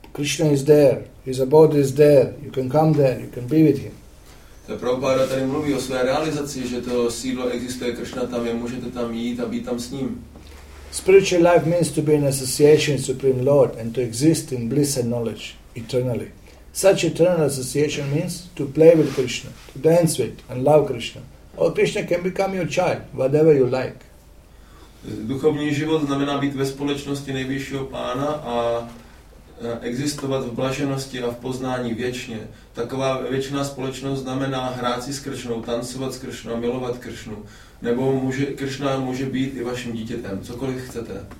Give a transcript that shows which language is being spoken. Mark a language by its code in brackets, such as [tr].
[en] Krishna is there, his abode is there, you can come there, you can be with him. [cs] To Prabhupada tady mluví o své realizaci, že to sídlo existuje, Krishna tam je, můžete tam jít a být tam s ním. [en] Spiritual life means to be in association with Supreme Lord and to exist in bliss and knowledge eternally. Such eternal association means to play with Krishna, to dance with and love Krishna. Or Krishna can become your child, whatever you like. [cs] Duchovní život znamená být ve společnosti nejvyššího pána a existovat v blaženosti a v poznání věčně. Taková věčná společnost znamená hrát si s Krishnou, tancovat s Krishnou, milovat Krishnu. Nebo může, Krishna může být i vaším dítětem, cokoliv chcete.